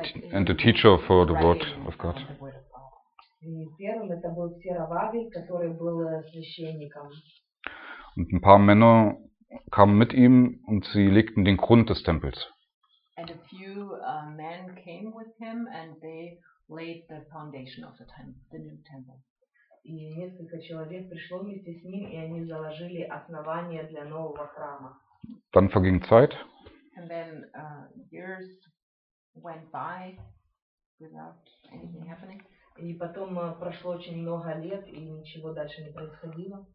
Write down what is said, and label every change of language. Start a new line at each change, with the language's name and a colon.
English: and a teacher for the word of God.
Russian: И первым это был Серавави, который был священником.
German: Und ein paar Männer kamen mit ihm und sie legten den Grund des Tempels.
English: And a few men came with him and they laid the foundation of the new temple.
Russian: И несколько человек пришло вместе с ним и они заложили основание для нового храма.
German: Dann verging Zeit.
English: And then years went by without anything happening.
Russian: И потом прошло очень много лет, и ничего дальше не происходило.